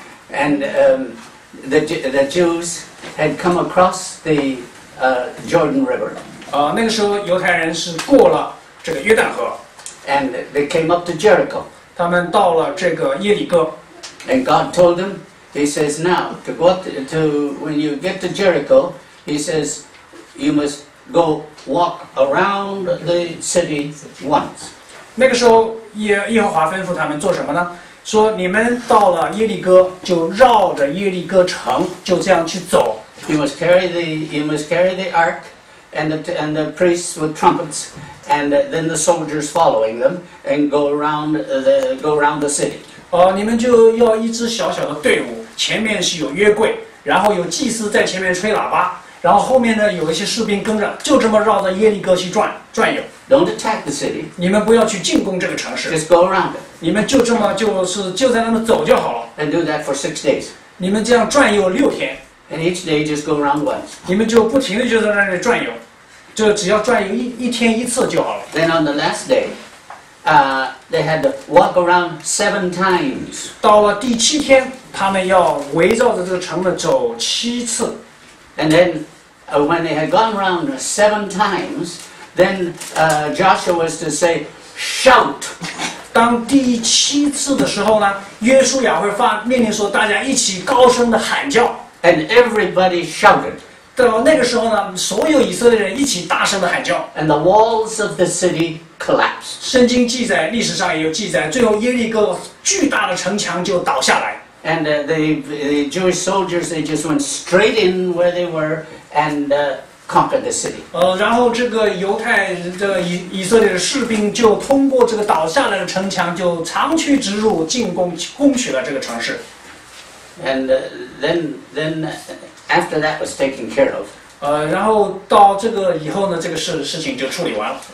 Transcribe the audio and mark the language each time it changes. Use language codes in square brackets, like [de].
[en] And the Jews had come across the Jordan River. [zh] 那个时候犹太人是过了这个约旦河。 [en] And they came up to Jericho. [zh] 他们到了这个耶利哥。 [en] And God told them, He says, "Now to go to when you get to Jericho, He says, you must go walk around the city once." [zh] 那个时候耶和华吩咐他们做什么呢？说你们到了耶利哥就绕着耶利哥城就这样去走。 [en] You must carry the ark and the priests with trumpets and then the soldiers following them and go around the city. [zh] 你们就要一支小小的队伍，前面是有约柜，然后有祭司在前面吹喇叭。然后后面呢，有一些士兵跟着，就这么绕到耶利哥去转悠。 [en] Don't attack the city. [zh] 你们不要去进攻这个城市。 [en] Just go around it. [zh] 你们就这么就在那么走就好了。 [en] And do that for 6 days. [zh] 你们这样转悠六天。 [en] And each day just go around once. [zh] 你们就不停的就在那里转悠，就只要转悠一天一次就好了。 [en] Then on the last day, they had to walk around 7 times. [zh] 到了第七天，他们要围绕着这个城门走七次。 [en] And then, when they had gone around 7 times, then Joshua was to say, "Shout!" [zh] 当第七次的时候呢，约书亚会发命令说，大家一起高声的喊叫。 [en] And everybody shouted. [zh] 到那个时候呢，所有以色列人一起大声的喊叫。 [en] And the walls of the city collapsed. [zh] 圣经记载，历史上也有记载，最后耶利哥巨大的城墙就倒下来。 [en] And the Jewish soldiers, they just went straight in where they were and conquered the city. [zh] 然后这个犹太的以色列的士兵就通过这个倒下来的城墙，就长驱直入，攻取了这个城市。 [en] And then after that was taken care of. [zh] 然后到这个以后呢，这个事情就处理完了。